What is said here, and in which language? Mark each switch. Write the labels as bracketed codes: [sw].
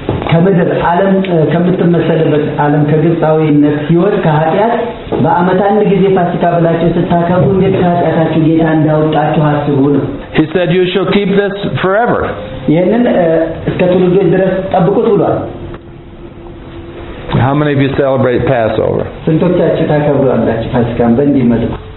[am] ከምድር ዓለም ከምትመሰልበት ዓለም ከግብጻዊነት ሕይወት ከኃጢአት በዓመት አንድ ጊዜ ፋሲካ ብላችሁ ስታከቡ እንዴት ከኃጢአታችሁ ጌታ እንዳወጣችሁ አስቡ ነው። [en] He said you shall keep this forever. [am] ይህንን እስከ ትውልድ ድረስ ጠብቁት ብሏል። [en] How many of you celebrate Passover? [am] ስንቶቻችሁ ታከብራላችሁ ፋሲካን በእንዲህ መልኩ?